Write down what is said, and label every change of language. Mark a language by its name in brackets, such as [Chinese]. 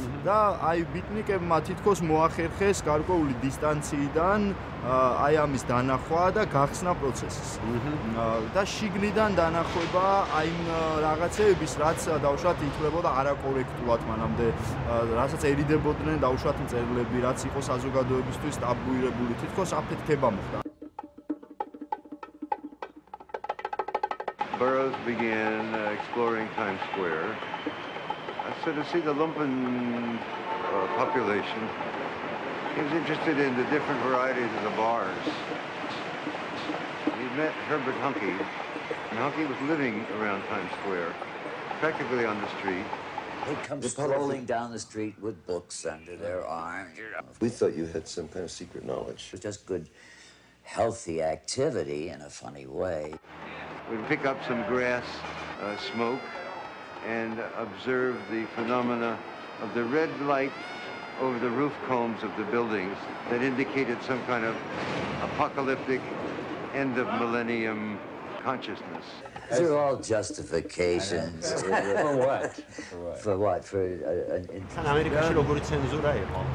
[Georgian] და აი ბიტნიკებმა თითქოს მოახერხეს გარკვეული დისტანციიდან აი ამის დანახვა და გახსნა პროცესის. და შიგნიდან დანახვა აი ამ რაღაცეების, რაც დაუშვათ ითვლებოდა არაკორექტულად მანამდე, რასაც ერიდებოდნენ დაუშვათ მწერლები, რაც იყო საზოგადოებისთვის ტაბუირებული, თითქოს აფეთქება მოხდა. [English] Burroughs began exploring Times Square. I said to see the lumpen population. He was interested in the different varieties of the bars. He met Herbert Hunky, and Hunky was living around Times Square, practically on the street. He'd come strolling down the street with books under their arm. We thought you had some kind of secret knowledge. It was just good, healthy activity in a funny way. We'd pick up some grass smoke and observe the phenomena of the red light over the roof combs of the buildings that indicated some kind of apocalyptic end of millennium consciousness. These are all justifications. For what? For [Georgian] ამერიკაში როგორი ცენზურა იყო?